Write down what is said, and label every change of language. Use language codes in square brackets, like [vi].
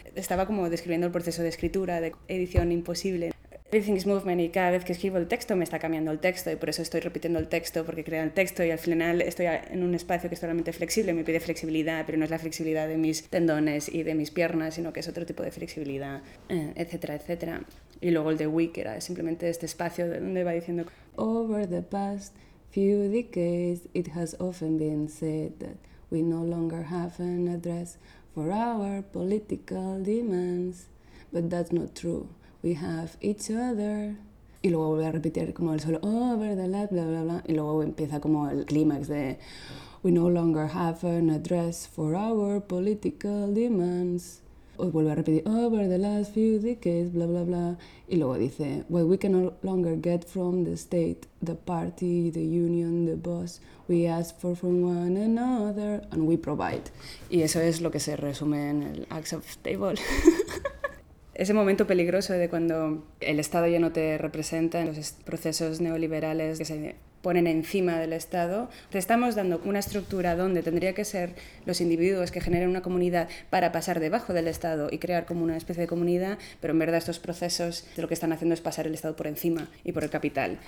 [es] Estaba como describiendo el proceso de escritura, de edición imposible. Everything is Movement, y cada vez que escribo el texto me está cambiando el texto, y por eso estoy repitiendo el texto, porque crea el texto, y al final estoy en un espacio que es totalmente flexible, me pide flexibilidad, pero no es la flexibilidad de mis tendones y de mis piernas, sino que es otro tipo de flexibilidad, etcétera, etcétera. Y luego el de Week era simplemente este espacio donde va diciendo: [en] Over the past few decades, it has often been said that we no longer have an address for our political demands, but that's not true. We have each other. [es] Y luego vuelve a repetir como el solo [en] over the last, [es] bla, bla, bla. Y luego empieza como el clímax de [en] We no longer have an address for our political demands. [es] O vuelve a repetir [en] over the last few decades, [es] bla, bla, bla. Y luego dice [en] What we can no longer get from the state, the party, the union, the boss, we ask for from one another and we provide. [es] Y eso es lo que se resume en el Acts of Table. Ese momento peligroso de cuando el Estado ya no te representa, los procesos neoliberales que se ponen encima del Estado, te estamos dando una estructura donde tendría que ser los individuos que generen una comunidad para pasar debajo del Estado y crear como una especie de comunidad, pero en verdad estos procesos lo que están haciendo es pasar el Estado por encima y por el capital.